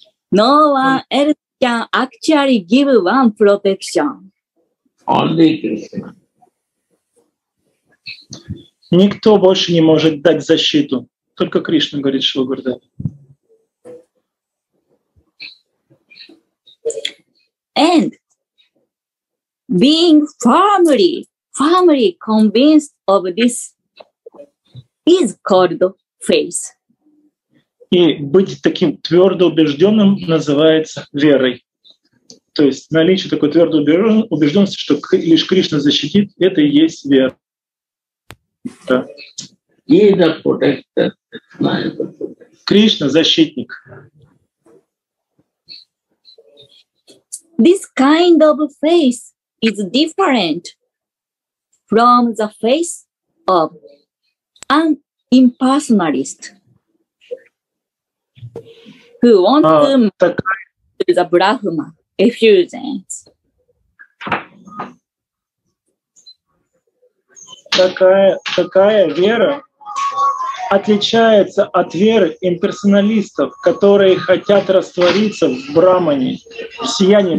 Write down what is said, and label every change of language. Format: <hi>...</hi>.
<en>No one else can actually give one protection. Only Krishna.</en> <ru>Никто больше не может дать защиту. Только Кришна, говорит Шрила Гурудева.</ru> <en>And being firmly convinced of this is called faith.</en> <ru>И быть таким твердо убежденным называется верой. То есть наличие такой твердой убежденности, что лишь Кришна защитит, это и есть вера. Да.</ru> <en>He is a protector.</en> <ru>Кришна – защитник.</ru> <en>This kind of faith is different from the faith of an impersonalist who wants to marry the Brahma effulgence.</en> <ru>Такая вера отличается от веры имперсоналистов, которые хотят раствориться в Брахмане, в сиянии</ru>